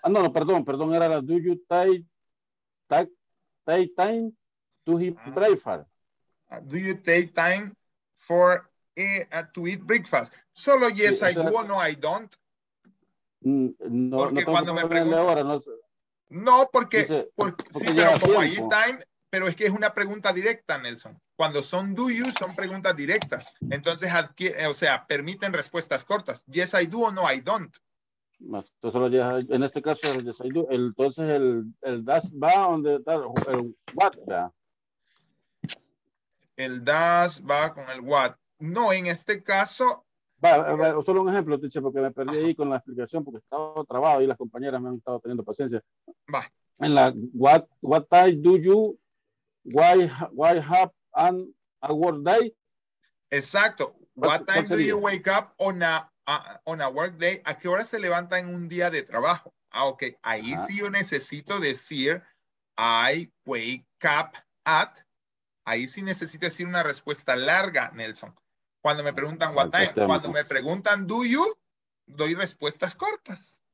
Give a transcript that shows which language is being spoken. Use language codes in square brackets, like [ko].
[es] Perdón, era la [en] do you take time to eat breakfast? Do you take time for to eat breakfast? Solo yes, sí, I do, o no, I don't. [es] No, porque no cuando me pregunto ahora, no sé. No, porque, dice, porque sí, pero como ahí time, pero es que es una pregunta directa, Nelson. Cuando son do you, son preguntas directas. Entonces, o sea, permiten respuestas cortas. [en] Yes, I do o no, I don't. [es] Entonces, en este caso, [en] yes, I do. [es] Entonces, el does va donde está el what. El does va con el what. No, en este caso. Solo un ejemplo, Ticha, porque me perdí ahí con la explicación, porque estaba trabado y las compañeras me han estado teniendo paciencia. Va. [en] En la what time do you, why have an a work day? [es] Exacto. [en] What time do you wake up on a work day? [es] ¿A qué hora se levanta en un día de trabajo? Ah, ok. Ahí sí yo necesito decir, [en] I wake up at. [es] Ahí sí necesito decir una respuesta larga, Nelson. Cuando me preguntan what time, cuando me preguntan do you, doy respuestas cortas.